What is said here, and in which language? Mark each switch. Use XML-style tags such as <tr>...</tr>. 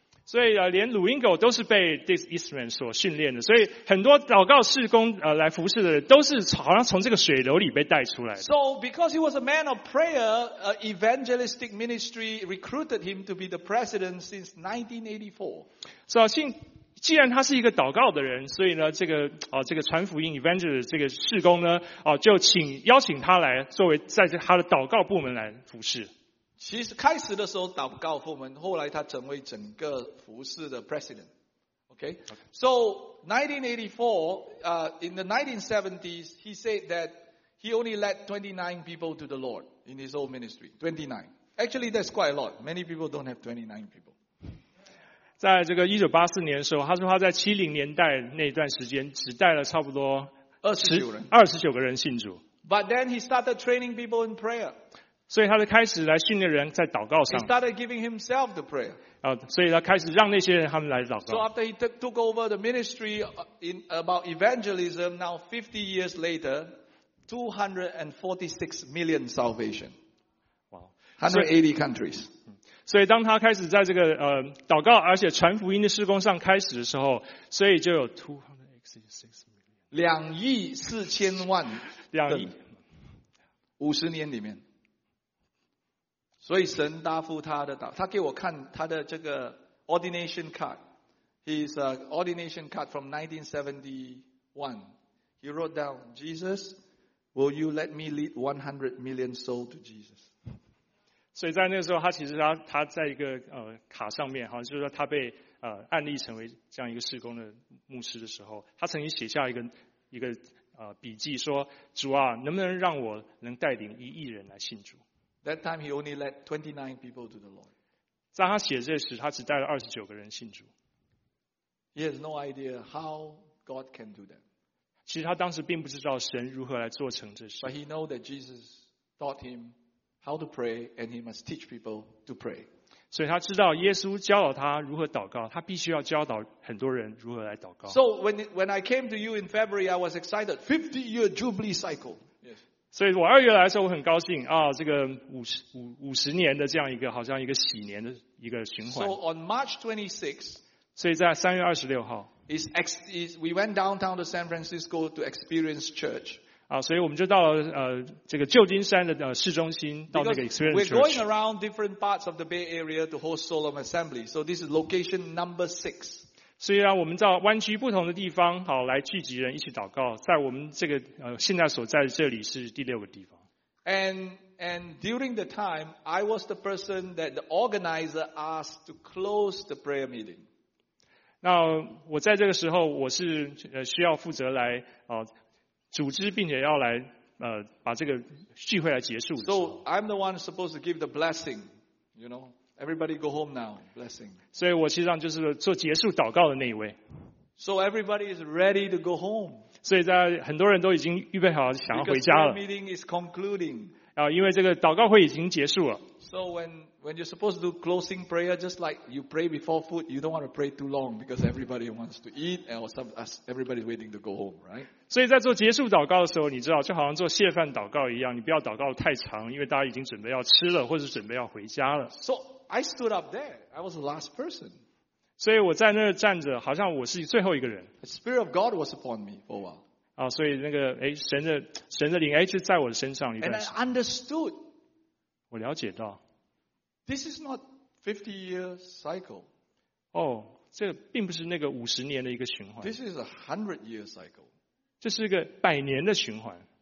<zh>所以连鲁英狗都是被 Dick Eastman 所训练的，所以很多祷告事工来服侍的人都是好像从这个水流里被带出来的。</zh> <en>So because he was a man of prayer, evangelistic ministry recruited him to be the president since 1984. So</en> <zh>既然他是一个祷告的人，所以呢，这个传福音 evangelist 这个事工呢，就请邀请他来作为在他的祷告部门来服事。其实开始的时候祷告部门，后来他成为整个服事的 president。</zh> <en>Okay, so 1984, in the 1970s, he said that he only led 29 people to the Lord in his old ministry. 29. Actually, that's quite a lot. Many people don't have 29 people.</en> <zh>在这个1984年的时候，他说他在70年代那段时间只带了差不多 29个人信主。</zh> <en>But then he started training people in prayer.</en> <zh>所以他就开始来训练人在祷告上。</zh> <en>He started giving himself the prayer.</en> <zh>所以他开始让那些人他们来祷告。</zh> <en>So after he took over the ministry in about evangelism, now 50 years later, 246 million salvation. Wow. 180 countries.</en> <zh>所以当他开始在这个祷告而且传福音的事工上开始的时候，所以就有</zh> <en>286 million.</en> <zh>2亿4千万。两亿。 50年里面。所以神答复他的祷告，他给我看他的这个</zh> <en>ordination card， his ordination card from 1971， he wrote down， Jesus， will you let me lead 100 million soul to Jesus？</en> <zh>所以在那个时候，他其实 他在一个卡上面，就是说他被案例成为这样一个事工的牧师的时候，他曾经写下一个笔记说，主啊，能不能让我能带领一亿人来信主？</zh> <en>That time he only led 29 people to the Lord.</en> <zh>在他写这时，他只带了29个人信主。</zh> <en>He has no idea how God can do that.</en> <zh>其实他当时并不知道神如何来做成这事。</zh> <en>But he knows that Jesus taught him how to pray and he must teach people to pray.</en> <zh>所以他知道耶稣教导他如何祷告，他必须要教导很多人如何来祷告。</zh> <en>So when I came to you in February, I was excited. 50-year jubilee cycle. Yes.</en> <zh>所以我二月来的时候我很高兴啊，这个五十年的这样一个好像一个喜年的一个循环。</zh> <en>So on March 26th,</en> <zh>所以在3月26号</zh> <en>we went downtown to San Francisco to experience church.</en> <zh>啊，所以我们就到了这个旧金山的市中心到那个 experience church.</zh> <en>We're going around different parts of the Bay Area to host Solemn Assembly. So this is location number 6.</en> <zh>虽然我们到湾区不同的地方好来聚集人一起祷告，在我们这个现在所在的这里是第六个地方。</zh> <en>And during the time, I was the person that the organizer asked to close the prayer meeting.</en> <zh>那我在这个时候我是需要负责来组织并且要来把这个聚会来结束的时候。</zh> <en>So I'm the one supposed to give the blessing, you know. Everybody go home now. Blessing.</en> <zh>所以我实际上就是做结束祷告的那一位。</zh> <en>So everybody is ready to go home.</en> <zh>所以在很多人都已经预备好想要回家了。</zh> <en>Because the meeting is concluding.</en> <zh>因为这个祷告会已经结束了。</zh> <en>So when you're supposed to do closing prayer, just like you pray before food, you don't want to pray too long because everybody wants to eat and everybody's waiting to go home, right?</en> <zh>所以在做结束祷告的时候，你知道就好像做谢饭祷告一样，你不要祷告太长，因为大家已经准备要吃了，或者准备要回家了。</zh> <en>So,I stood up there. I was the last person.</en> <zh>所以我在那站着，好像我是最后一个人。</zh> <en>The Spirit of God was upon me for a while.</en> <zh>所以那个神的灵就在我的身上一段时间。</zh> <en>And I understood.</en> <zh>我了解到。</zh> <en>This is not 50-year cycle.</en> <zh>这并不是那个五十年的一个循环。</zh> <en>This is a 100-year cycle.</en> <zh>这是一个百年的循环。</zh>